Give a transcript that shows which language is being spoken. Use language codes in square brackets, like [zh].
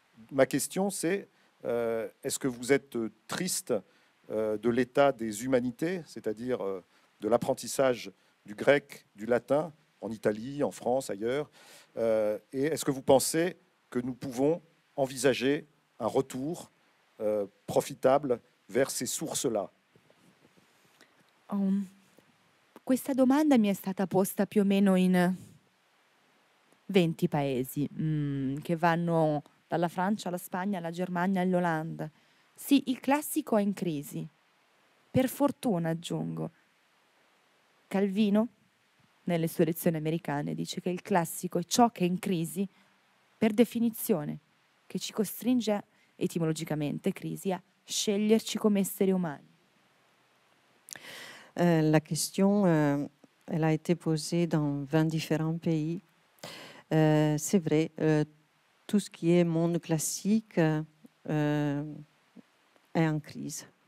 [fr] Ma question, c'est, est-ce que vous êtes triste de l'état des humanités, c'est-à-dire de l'apprentissage du grec, du latin, en Italie, en France, ailleurs. Et est-ce que vous pensez que nous pouvons envisager un retour profitable vers ces sources-là? [it] Questa domanda mi è stata posta più o meno in 20 paesi, che vanno dalla Francia alla Spagna, alla Germania e all'Olanda. Sì, il classico è in crisi. Per fortuna, aggiungo. Calvino, nelle sue lezioni americane, dice che il classico è ciò che è in crisi, per definizione, che ci costringe, etimologicamente, crisi, a sceglierci come esseri umani. [fr] La question, elle a été posée dans 20 différents pays. C'est vrai, tout ce qui est monde classique est en crise.